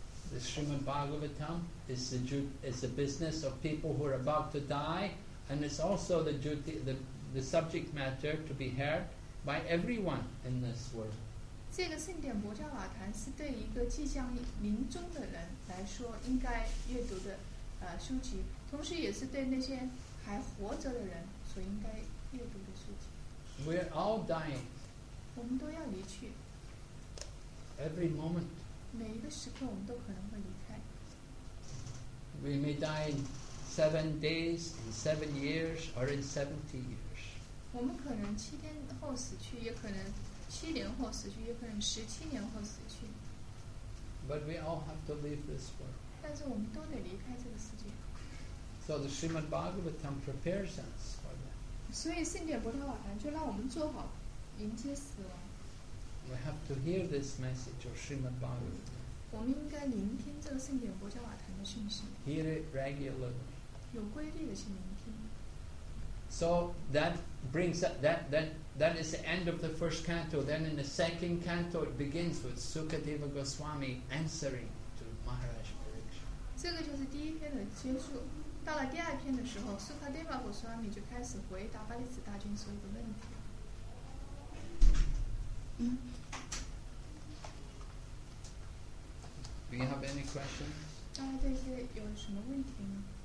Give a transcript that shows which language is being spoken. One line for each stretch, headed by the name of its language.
English: The Srimad Bhagavatam is the business of people who are about to die. And it's also the duty, the subject matter to be heard by everyone in this world.
Chinese: 这个圣典摩迦瓦坛是对一个即将临终的人来说应该阅读的书籍，同时也是对那些还活着的人所应该阅读的书籍。
English: We're all dying.
Chinese: 我们都要离去。
English: Every moment.
Chinese: 每一个时刻我们都可能会离开。
English: We may die in 7 days, in 7 years, or in 70 years.
Chinese: 我们可能七天后死去，也可能七年后死去，也可能十七年后死去。
English: But we all have to leave this world.
Chinese: 但是我们都得离开这个世界。
English: So the Srimad Bhagavatam prepares us for that.
Chinese: 所以圣典波陀瓦坛就让我们做好迎接死亡。
English: We have to hear this message of Srimad Bhagavatam.
Chinese: 我们应该聆听这个圣典波陀瓦坛的讯息。
English: Hear it regularly.
Chinese: 有规律的去聆听。
English: So that brings up that is the end of the first canto. Then in the second canto, it begins with Sukadeva Goswami answering to Maharaj Pariksit.
Chinese: 这个就是第一篇的结束。到了第二篇的时候 ，Sukadeva Goswami 就开始回答巴利子大君所有的问题。
English: Do you have any questions?
Chinese: 大家对这些有什么问题吗？